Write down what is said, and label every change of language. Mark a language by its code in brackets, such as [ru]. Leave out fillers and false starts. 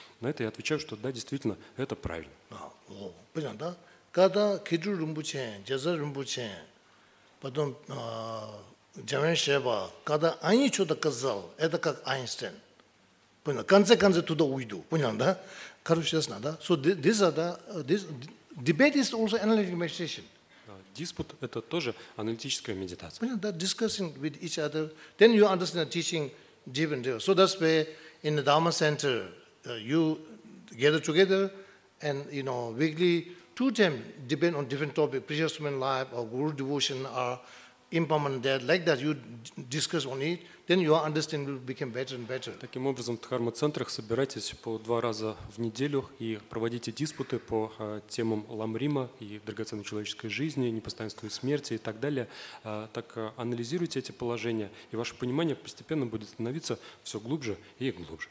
[ru] На это я отвечаю, что да, действительно, это правильно. Понятно, да? Когда Кидру Румбуче, Джазар Румбуче, потом Джамен Шеба, когда они что-то сказали, это как Айнштейн. Понял? В конце концов туда уйду. Понял, да? Короче, ясно, да? [en] So this are the debate is also analytic meditation. [ru] Диспут – это тоже аналитическая медитация. Понял, да? [en] Discussing with each other, then you understand the teaching deep and deep. So that's where in the Dharma Center, you gather together and, you know, weekly two times depend on different topic, precious human life or guru devotion or impermanent there, like that you discuss on it, then your understanding will become better and better. [ru] Таким образом, в дхармо-центрах собирайтесь по два раза в неделю и проводите диспуты по темам ламрима и драгоценной человеческой жизни, непостоянству и смерти и так далее. Так анализируйте эти положения, и ваше понимание постепенно будет становиться все глубже и глубже.